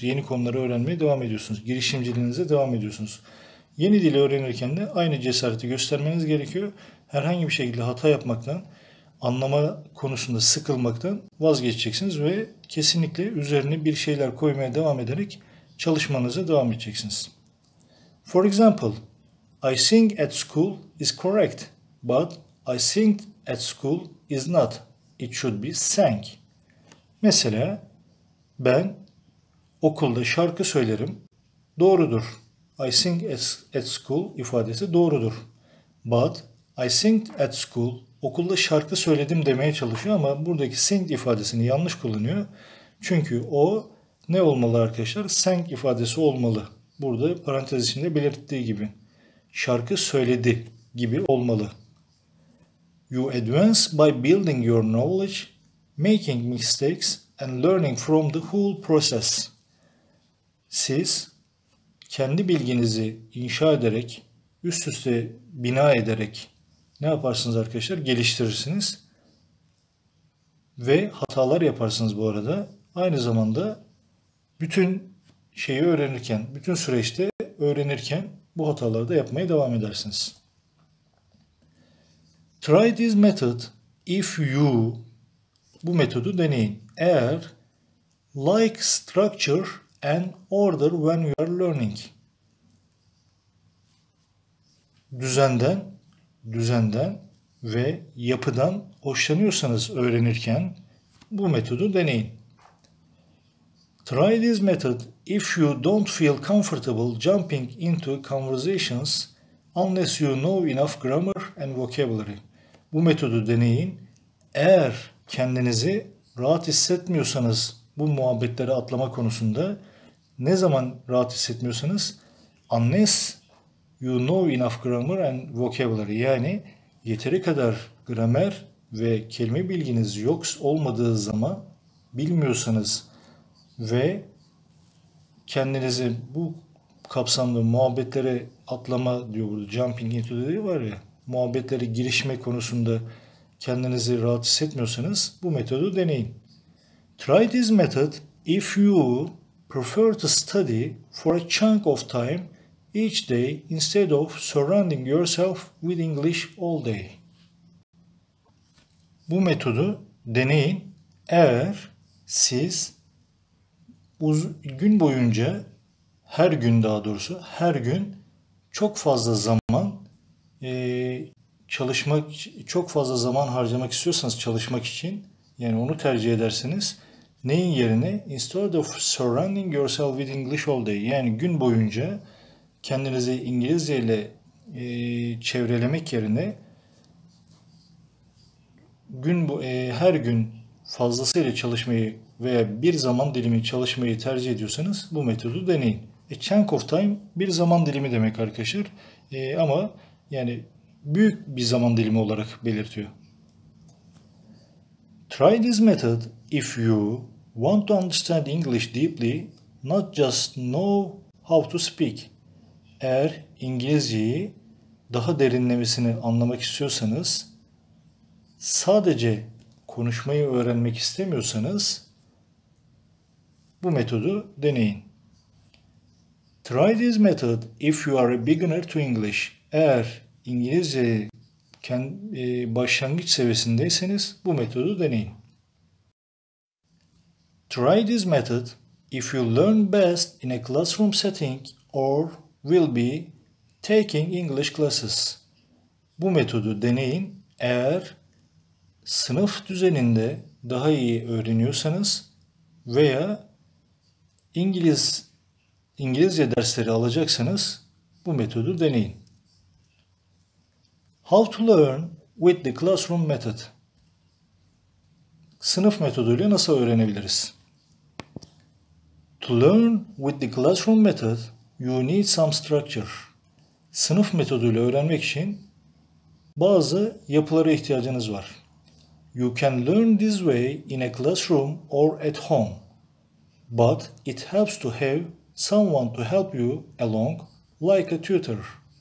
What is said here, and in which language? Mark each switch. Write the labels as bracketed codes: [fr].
[tr] Yeni konuları öğrenmeye devam ediyorsunuz. Girişimciliğinize devam ediyorsunuz. Yeni dili öğrenirken de aynı cesareti göstermeniz gerekiyor. Herhangi bir şekilde hata yapmaktan, anlama konusunda sıkılmaktan vazgeçeceksiniz ve kesinlikle üzerine bir şeyler koymaya devam ederek çalışmanıza devam edeceksiniz. [en] For example, I sing at school is correct, but I sing at school is not. It should be sang. [tr] Mesela, ben okulda şarkı söylerim. Doğrudur. [en] I sing at school [tr] ifadesi doğrudur. [en] But I sing at school, [tr] okulda şarkı söyledim demeye çalışıyor ama buradaki sing ifadesini yanlış kullanıyor. Çünkü o ne olmalı arkadaşlar? Sang ifadesi olmalı. Burada parantez içinde belirttiği gibi. Şarkı söyledi gibi olmalı. [en] You advance by building your knowledge, making mistakes and learning from the whole process. [tr] Siz kendi bilginizi inşa ederek, üst üste bina ederek ne yaparsınız arkadaşlar? Geliştirirsiniz. Ve hatalar yaparsınız bu arada. Aynı zamanda bütün şeyi öğrenirken, bütün süreçte öğrenirken bu hataları da yapmaya devam edersiniz. [en] Try this method if you, [tr] bu metodu deneyin. Eğer [en] like structure and order when you are learning. [tr] Düzenden ve yapıdan hoşlanıyorsanız öğrenirken bu metodu deneyin. [en] Try this method if you don't feel comfortable jumping into conversations unless you know enough grammar and vocabulary. [tr] Bu metodu deneyin. Eğer kendinizi rahat hissetmiyorsanız bu muhabbetleri atlama konusunda, ne zaman rahat hissetmiyorsanız, [en] unless you know enough grammar and vocabulary, [tr] yani yeteri kadar gramer ve kelime bilginiz yok olmadığı zaman, bilmiyorsanız ve kendinizi bu kapsamda muhabbetlere atlama diyor burada, [en] jumping into [tr] diye var ya, muhabbetlere girişme konusunda kendinizi rahat hissetmiyorsanız bu metodu deneyin. [en] Try this method if you prefer to study for a chunk of time each day instead of surrounding yourself with English all day. [tr] Bu metodu deneyin eğer siz gün boyunca, her gün daha doğrusu, her gün çok fazla zaman çalışmak, çok fazla zaman harcamak istiyorsanız çalışmak için, yani onu tercih ederseniz, neyin yerine? [en] Instead of surrounding yourself with English all day, [tr] yani gün boyunca kendinizi İngilizce ile çevrelemek yerine her gün fazlasıyla çalışmayı veya bir zaman dilimi çalışmayı tercih ediyorsanız bu metodu deneyin. [en] A chunk of time [tr] bir zaman dilimi demek arkadaşlar. Ama yani büyük bir zaman dilimi olarak belirtiyor. [en] Try this method if you want to understand English deeply, not just know how to speak. [tr] Eğer İngilizceyi daha derinlemesine anlamak istiyorsanız, sadece konuşmayı öğrenmek istemiyorsanız bu metodu deneyin. [en] Try this method if you are a beginner to English. [tr] Eğer İngilizceyi başlangıç seviyesindeyseniz bu metodu deneyin. [en] Try this method if you learn best in a classroom setting or will be taking English classes. [tr] Bu metodu deneyin eğer sınıf düzeninde daha iyi öğreniyorsanız veya İngilizce dersleri alacaksanız bu metodu deneyin. [en] How to learn with the classroom method? [tr] Sınıf metoduyla nasıl öğrenebiliriz? [en] To learn with the classroom method, you need some structure. [tr] Sınıf metoduyla öğrenmek için bazı yapılara ihtiyacınız var. [en] You can learn this way in a classroom or at home, but it helps to have someone to help you along, like a tutor.